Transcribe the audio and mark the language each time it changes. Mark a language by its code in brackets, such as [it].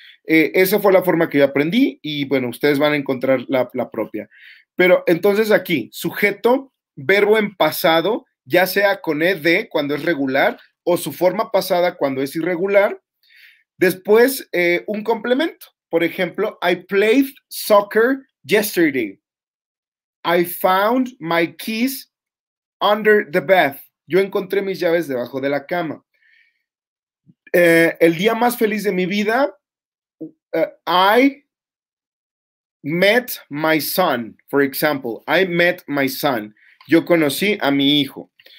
[es] Esa fue la forma que yo aprendí y, bueno, ustedes van a encontrar la propia. Pero entonces aquí, sujeto, verbo en pasado, ya sea con ed cuando es regular o su forma pasada cuando es irregular. Después, un complemento. [en] Por ejemplo, I played soccer yesterday. I found my keys under the bed. [es] Yo encontré mis llaves debajo de la cama. El día más feliz de mi vida, [en] I met my son, for example. I met my son. [es] Yo conocí a mi hijo.